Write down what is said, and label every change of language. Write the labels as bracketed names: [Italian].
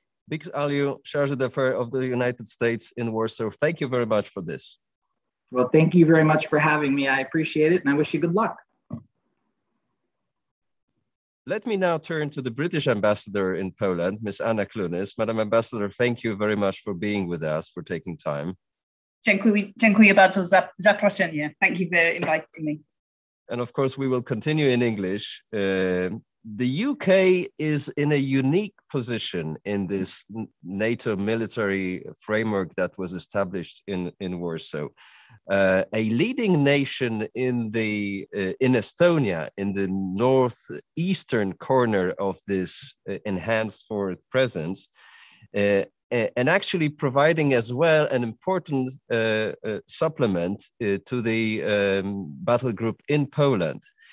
[English] Bix Aliu, Chargé d'Affaires of the United States in Warsaw, thank you very much for this. Well, thank you very much for having me. I appreciate it, and I wish you good luck. Let me now turn to the British ambassador in Poland, Ms. Anna Clunes. Madam Ambassador, thank you very much for being with us, for taking time. [Polish] Dziękuję bardzo za zaproszenie. [English] Thank you for inviting me. And of course, we will continue in English. The UK is in a unique position in this NATO military framework that was established in Warsaw. A leading nation in Estonia, in the northeastern corner of this enhanced forward presence, and actually providing as well an important supplement to the battle group in Poland.